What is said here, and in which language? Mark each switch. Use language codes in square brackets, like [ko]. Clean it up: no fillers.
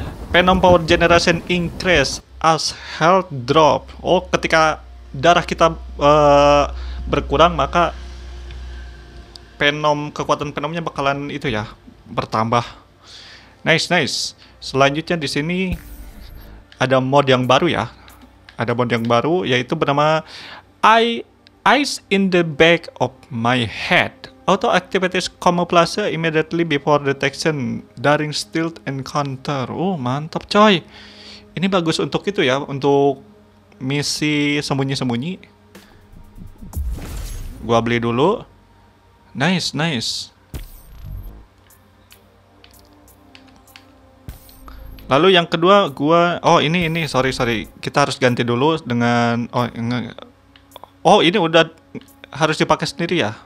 [en] Venom Power Generation Increase as Health Drop. [id] Oh, ketika darah kita berkurang, maka kekuatan Venomnya bakalan itu ya, bertambah. Nice. Selanjutnya di sini ada mod yang baru ya. Ada mod yang baru yaitu bernama Eyes in the Back of My Head. [en] Auto activates camouflage immediately before detection during stealth encounter. [id] Oh, mantap coy. Ini bagus untuk itu ya, untuk misi sembunyi-sembunyi. Gua beli dulu. Nice. Lalu yang kedua gua ini sorry. Kita harus ganti dulu dengan ini udah harus dipakai sendiri ya?